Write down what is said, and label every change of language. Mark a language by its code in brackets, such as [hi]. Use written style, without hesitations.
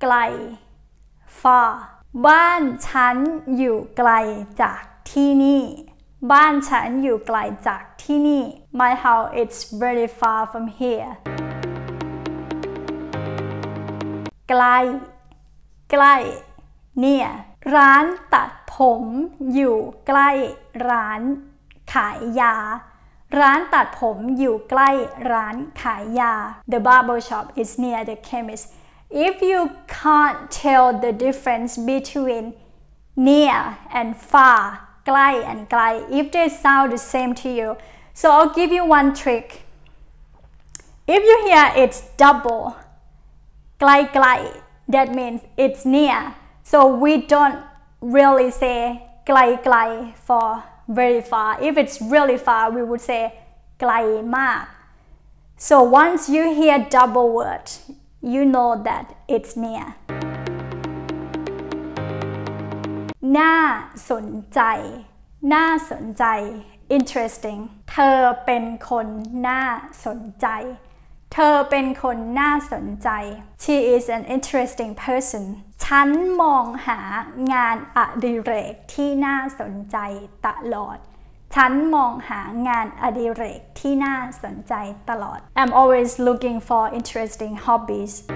[th] ไกล [en] far [th] บ้านฉันอยู่ไกลจากที่นี่บ้านฉันอยู่ไกลจากที่นี่ [en] My house is very far from here [th] ไกลไกลเนี่ยร้านตัดผมอยู่ใกล้ร้านขายยาร้านตัดผมอยู่ใกล้ร้านขายยา [en] The barber shop is near the chemist. If you can't tell the difference between near and far, ใกล้ and ไกล if they sound the same to you, so I'll give you one trick. If you hear it's double, ใกล้ใกล้ that means it's near. So we don't really say ใกล้ใกล้ for. Very far. If it's really far, we would say ไกลมาก. So once you hear double word, you know that it's near. [th] น่าสนใจ น่าสนใจ [en] Interesting. [th] เธอเป็นคนน่าสนใจ เธอเป็นคนน่าสนใจ [en] She is an interesting person. [th] ฉันมองหางานอดิเรกที่น่าสนใจตลอดฉันมองหางานอดิเรกที่น่าสนใจตลอด [en] I'm always looking for interesting hobbies